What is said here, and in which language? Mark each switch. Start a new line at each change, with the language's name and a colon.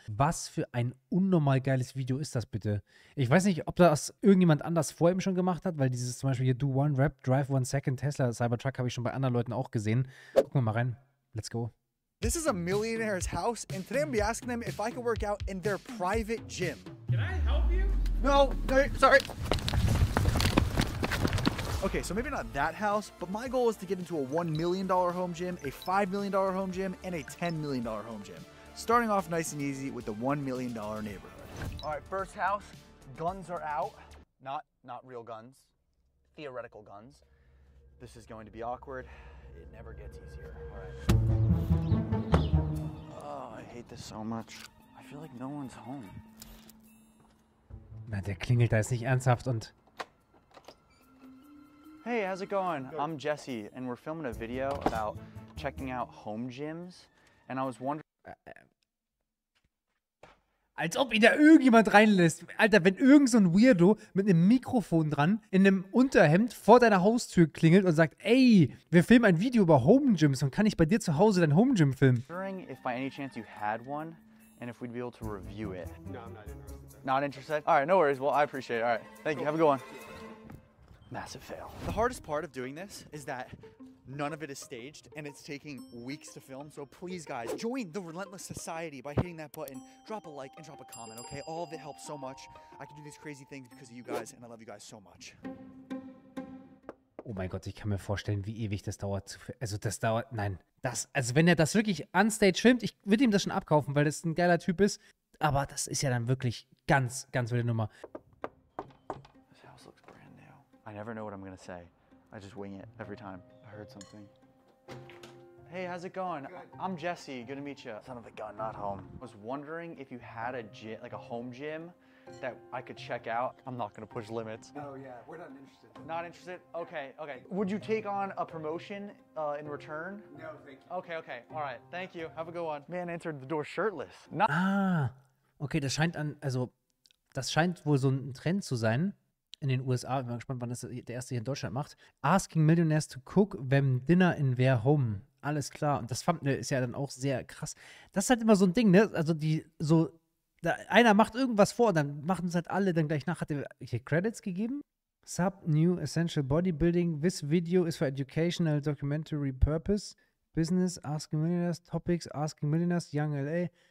German: Was für ein unnormal geiles Video ist das bitte? Ich weiß nicht, ob das irgendjemand anders vor ihm schon gemacht hat, weil dieses zum Beispiel hier
English: Do One Rep, Drive One Second Tesla Cybertruck
German: habe ich schon bei anderen Leuten auch gesehen. Gucken wir mal rein.
English: Let's go. This is a millionaire's house and today I'm gonna be asking them if I can work out in their private gym. Can I help you? No, no, sorry. Okay, so maybe not that house, but my goal is to get into a $1 million home gym, a $5 million home gym, and a $10 million home gym. Starting off nice and easy with the $1 million neighborhood. All right, first house, guns are out. Not real guns, theoretical guns. This is going to be awkward. It never gets easier, all right. Oh, I hate this so much. I feel like no one's home.
German: Na, der klingelt da jetzt nicht ernsthaft und...
English: Hey, how's it going? Good. I'm Jesse, and we're filming a video about checking out home gyms, and I was wondering...
German: Als ob ihn da irgendjemand reinlässt. Alter, wenn irgend so ein Weirdo mit einem Mikrofon dran in einem Unterhemd vor deiner Haustür klingelt und sagt, ey, wir filmen ein Video über Home Gyms und kann ich bei dir zu Hause dein Home Gym filmen?
English: If by any chance you had one and if we'd be able to review it. No, I'm not interested. Not interested? All right, no worries. Well, I appreciate it. All right, thank you. Have a good one. Massive fail. The hardest part of doing this is that none of it is staged and it's taking weeks to film. So please guys, join the relentless society by hitting that button, drop a like and drop a comment, okay? All of it helps so much. I can do these crazy things because of you guys and I love you guys so much.
German: Oh mein Gott, ich kann mir vorstellen, wie ewig das dauert. Also das dauert, nein. Das, also wenn er das wirklich unstaged filmt, ich würde ihm das schon abkaufen, weil das ein geiler Typ ist. Aber das ist ja dann wirklich ganz, ganz wilde Nummer.
English: This house looks brand new. I never know what I'm gonna say. I just wing it every time. I heard something. Hey, how's it going? Good. I'm Jesse, good to meet you. Son of a gun, not home. I was wondering if you had a gym, like a home gym that I could check out. I'm not gonna push limits. Oh yeah, we're not interested. Not interested? Okay, okay. Would you take on a promotion in return? No, thank you. Okay, okay, all right, thank you. Have a good one. Man entered the door shirtless.
German: Not ah, okay, das scheint an, also, das scheint wohl so ein Trend zu sein. In den USA, ich bin mal gespannt, wann das der erste hier in Deutschland macht.
English: Asking Millionaires to cook them dinner in their home.
German: Alles klar. Und das Thumbnail ist ja dann auch sehr krass. Das ist halt immer so ein Ding, ne? Also die, so, da, einer macht irgendwas vor und dann machen es halt alle dann gleich nach. Hat er hier Credits gegeben? Sub new essential bodybuilding.
English: This video is for educational documentary purpose. Business, asking millionaires, topics, asking millionaires, young LA.